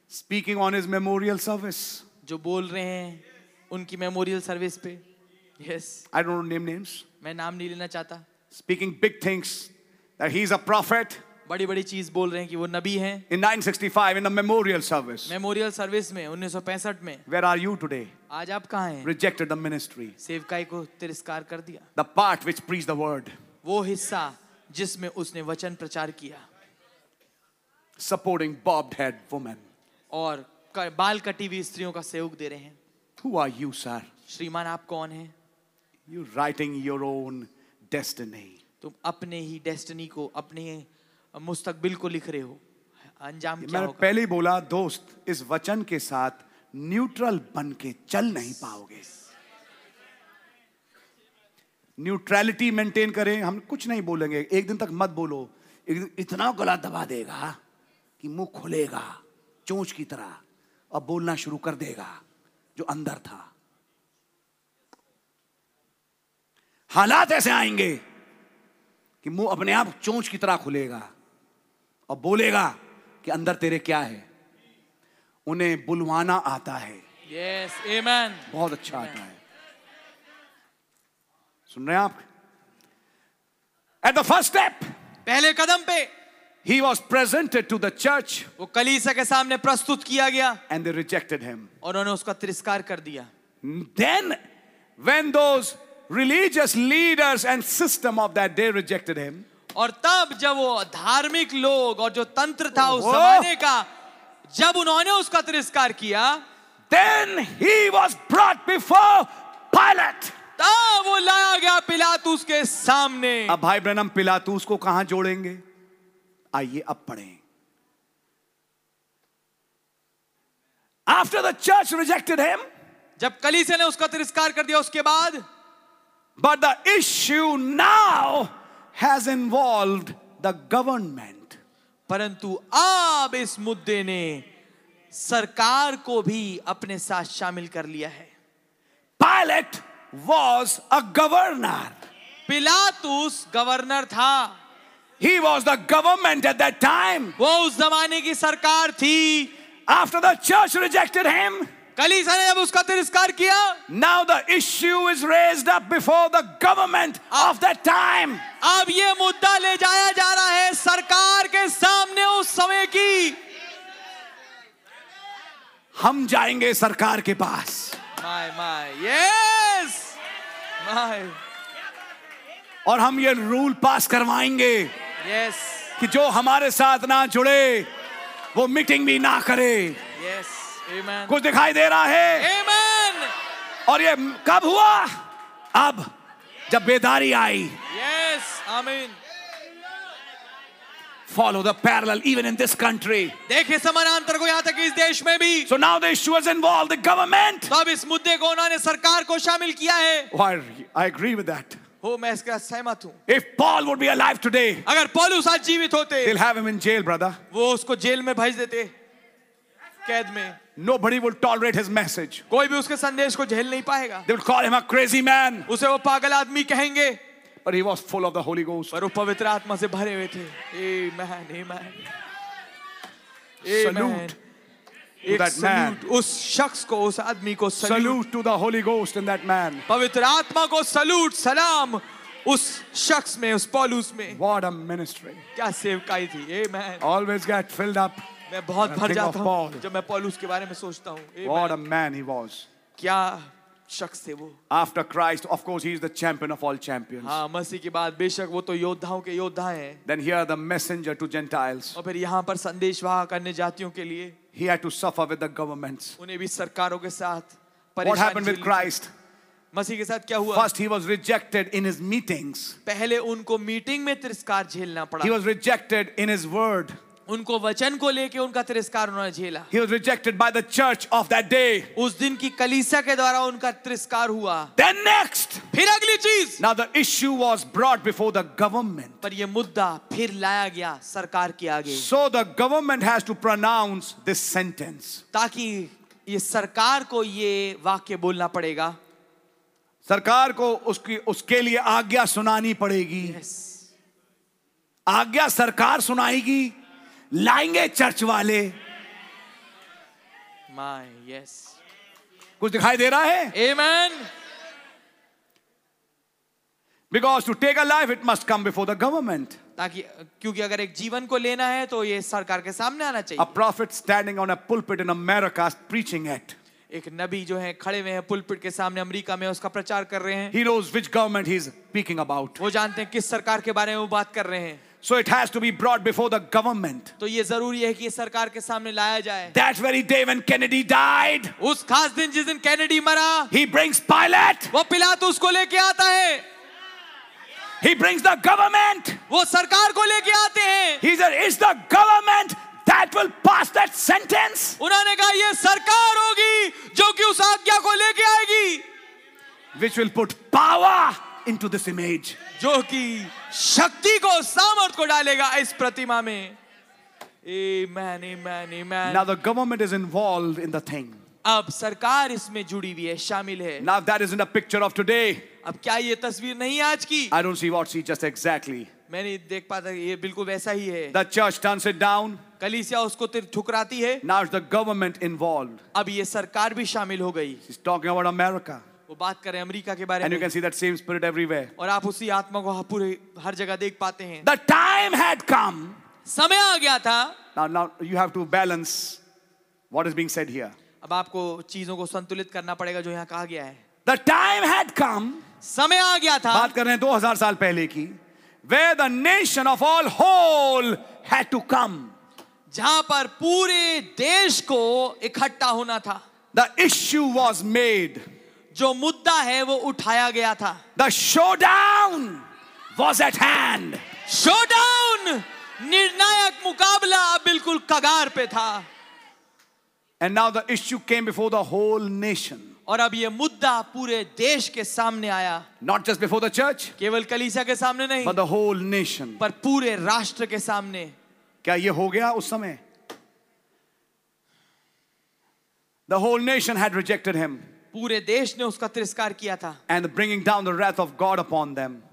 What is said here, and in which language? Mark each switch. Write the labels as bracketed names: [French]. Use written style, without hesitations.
[English] Speaking on his memorial service. [Hindi] जो बोल रहे हैं उनकी memorial service पे। [English] Yes. I don't name names. [Hindi] मैं नाम नहीं लेना चाहता। [English] Speaking big things that he is a prophet. [Hindi] बड़ी-बड़ी चीज बोल रहे हैं कि वो नबी हैं। [English] In 965 in the memorial service. [Hindi] Memorial service में 1965 में। [English] Where are you today? [Hindi] आज आप कहाँ हैं? [English] Rejected the ministry. [Hindi] सेवकाई को तिरस्कार कर दिया। [English] The part which preached the word. [Hindi] वो हिस्सा जिसमें उसने वचन प्रचार किया। [English] Supporting bobbed head woman. [Hindi] और बाल कटी हुई स्त्रियों का सेवक दे रहे हैं। [English] Who are you, sir? [Hindi] श्रीमान आप कौन हैं? [English] You writing your own destiny. [Hindi] तुम अपने ही डेस्टिनी को, अपने मुस्तकबिल को लिख रहे हो। अंजाम क्या होगा? पहले ही बोला दोस्त, इस वचन के साथ न्यूट्रल बन के चल नहीं पाओगे। न्यूट्रलिटी मेंटेन करें, हम कुछ नहीं बोलेंगे, एक दिन तक मत बोलो, एक दिन इतना गला दबा देगा कि मुंह खुलेगा चोंच की तरह और बोलना शुरू कर देगा जो अंदर था। हालात ऐसे आएंगे कि मुंह अपने आप चोंच की तरह खुलेगा और बोलेगा कि अंदर तेरे क्या है। उन्हें बुलवाना आता है। [English] Yes, आमीन। [Hindi] बहुत अच्छा आता है। सुन रहे हैं आप? [English] at the first step, [Hindi] पहले कदम पे, [English] He was presented to the church. [Hindi] वो कलीसिया के सामने प्रस्तुत किया गया। [English] And they rejected him. [Hindi] और उन्होंने उसका तिरस्कार कर दिया। [English] Then, when those religious leaders and system of that day rejected him. [Hindi] और तब जब वो धार्मिक लोग और जो तंत्र था उस जमाने का, जब उन्होंने उसका तिरस्कार किया, [English] then he was brought before Pilate. [Hindi] तब वो लाया गया पिलातुस के सामने। अब भाई ब्रैनम पिलातुस को कहां जोड़ेंगे? आइए अब पढ़ें। [English] After the church rejected him, [Hindi] जब कलीसिया ने उसका तिरस्कार कर दिया उसके बाद, [English] but the issue now has involved the government. [Hindi] परंतु अब इस मुद्दे ने सरकार को भी अपने साथ शामिल कर लिया है। [English] Pilate was a governor. [Hindi] Pilatus governor tha. [English] He was the government at that time. [Hindi] Wo us zamane ki sarkar thi. [English] After the church rejected him, [Hindi] कलीसिया ने जब उसका तिरस्कार किया, [English] now the issue is raised up before the government of that time. [Hindi] अब ये मुद्दा ले जाया जा रहा है सरकार के सामने उस समय की. हम जाएंगे सरकार के पास. [English] My my yes, my. [Hindi] और हम ये रूल पास करवाएंगे. [English] Yes. [Hindi] कि जो हमारे साथ ना जुड़े, वो मीटिंग भी ना करे. [English] Yes. Amen. [Hindi] कुछ दिखाई दे रहा है. [English] Amen. [Hindi] और ये कब हुआ? अब जब बेदारी आई. [English] Yes. Amen. Follow the parallel even in this country. [Hindi] देखे समानांतर को यहाँ तक इस देश में भी. [English] So now the issue was involved the government. [Hindi] तब इस मुद्दे को उन्होंने सरकार को शामिल किया है. [English] I agree with that. [Hindi] हो मैं इसके साथ सहमत हूँ. [English] If Paul would be alive today. [Hindi] अगर पौलुस आज जीवित होते. [English] They'll have him in jail, brother. [Hindi] वो उसको जेल में भेज देते. कैद में. [English] Nobody will tolerate his message. [Hindi] कोई भी उसके संदेश को झेल नहीं पाएगा. [English] They'll call him a crazy man. [Hindi] उसे वो पागल आदमी कहेंगे. [English] But he was full of the Holy Ghost. [Hindi] पर वो पवित्र आत्मा से भरे हुए थे. [English] Amen, amen. Salute to that man. [Hindi] उस शख्स को, उस आदमी को [English] salute to the Holy Ghost in that man. [Hindi] पवित्र आत्मा को सलूट, सलाम उस शख्स में, उस पौलुस में. [English] What a ministry. [Hindi] क्या सेवकाई थी. Amen. [English] Always get filled up. [Hindi] मैं बहुत भर जाता हूँ जब मैं पौलुस के बारे में सोचता हूँ. [English] What a man he was. [Hindi] क्या शख्स थे वो. [English] After Christ, of course, he is the champion of all champions. [Hindi] हाँ, मसीह के बाद बेशक वो तो योद्धाओं के योद्धा हैं. [English] Then here the messenger to Gentiles. [Hindi] और फिर यहाँ पर संदेशवाहक अन्य जातियों के लिए. [English] He had to suffer with the governments. [Hindi] उन्हें भी सरकारों के साथ. [English] What happened with Christ? [Hindi] मसीह के साथ क्या हुआ? [English] First he was rejected in his meetings. [Hindi] पहले उनको मीटिंग में तिरस्कार झेलना पड़ा. [English] He was rejected in his word. [Hindi] उनको वचन को लेके उनका तिरस्कार उन्होंने झेला. [English] He was rejected by the church of that day. [Hindi] उस दिन की कलीसिया के द्वारा उनका तिरस्कार हुआ. [English] Then next. [Hindi] फिर अगली चीज. [English] Now the issue was brought before the government. [Hindi] पर ये मुद्दा फिर लाया गया सरकार के आगे. [English] So the government has to pronounce this sentence. [Hindi] ताकि ये सरकार को ये वाक्य बोलना पड़ेगा. सरकार को उसकी उसके लिए आज्ञा सुनानी पड़ेगी. [English] Yes. [Hindi] आज्ञा सरकार सुनाएगी. लाएंगे चर्च वाले. [English] My yes. [Hindi] कुछ दिखाई दे रहा है. [English] आमेन. Because to take a life it must come before the government. [Hindi] ताकि क्योंकि अगर एक जीवन को लेना है तो ये सरकार के सामने आना चाहिए. [English] A prophet standing on a pulpit in America preaching it. [Hindi] एक नबी जो है खड़े हुए हैं पुलपिट के सामने अमेरिका में उसका प्रचार कर रहे हैं. [English] He knows which government he is speaking about. [Hindi] वो जानते हैं किस सरकार के बारे में वो बात कर रहे हैं. [English] So it has to be brought before the government. [Hindi] तो ये जरूरी है कि ये सरकार के सामने लाया जाए. [English] That very day when Kennedy died. [Hindi] उस खास दिन जिस दिन कैनेडी मरा. [English] He brings Pilate. [Hindi] वो पिलातुस को लेके आता है. [English] He brings the government. [Hindi] वो सरकार को लेके आते हैं. [English] He said, "It's the government that will pass that sentence." [Hindi] उन्होंने कहा ये सरकार होगी जो कि उस आज्ञा को लेके आएगी. [English] Which will put power into this image. [Hindi] जो कि शक्ति को सामर्थ को डालेगा इस प्रतिमा में. [English] Amen, amen, amen. Now the government is involved in the thing. [Hindi] अब सरकार इसमें जुड़ी हुई है, शामिल है. [English] Now that isn't a picture of today. [Hindi] अब क्या ये तस्वीर नहीं आज की? [English] I don't see what she just exactly. [Hindi] मैं नहीं देख पाता ये बिल्कुल वैसा ही है. [English] The church turns it down. [Hindi] कलीसिया उसको तिर ठुकराती है. [English] Now the government involved. [Hindi] अब ये सरकार भी शामिल हो गई. [English] She's talking about America. [Hindi] वो बात करें अमेरिका के बारे में. [English] And you can see that same spirit everywhere. [Hindi] और आप उसी आत्मा को पूरे हर जगह देख पाते हैं. [English] The time had come. [Hindi] समय आ गया था. [English] Now you have to balance what is being said here. [Hindi] अब आपको चीजों को संतुलित करना पड़ेगा जो यहाँ कहा गया है. [English] The time had come. [Hindi] समय आ गया था. बात कर रहे हैं 2000 साल पहले की. [English] Where the nation of all whole had to come. [Hindi] जहां पर पूरे देश को इकट्ठा होना था. [English] The issue was made. [Hindi] जो मुद्दा है वो उठाया गया था. [English] The showdown was at hand. [Hindi] Showdown निर्णायक मुकाबला बिल्कुल कगार पे था. [English] And now the issue came before the whole nation. [Hindi] और अब ये मुद्दा पूरे देश के सामने आया. [English] Not just before the church. [Hindi] केवल कलीसिया के सामने नहीं, [English] But the whole nation. [Hindi] पर पूरे राष्ट्र के सामने. क्या ये हो गया उस समय? [English] The whole nation had rejected him. [Hindi] पूरे देश ने उसका तिरस्कार किया था [English] and bringing down the wrath of God upon them